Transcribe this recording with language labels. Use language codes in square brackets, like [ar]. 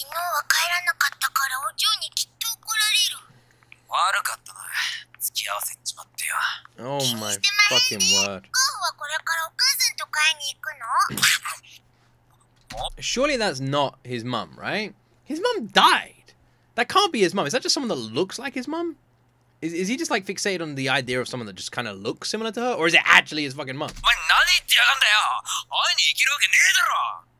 [ja] 昨日は帰らなかったからお嬢にきっと怒られる。悪かったな。付き合わせちまってよ。 [en] Oh my fucking word. [ja] ゴーフはこれからお母さんと会いに行くの? [en] Surely that's not his mum, right? His mum died. That can't be his mum. Is that just someone that looks like his mum? Is he just like fixated on the idea of someone that just kind of looks similar to her? Or is it actually his fucking mum? [ja] お前何言ってやがんだよ。会いに行けるわけねえだろ。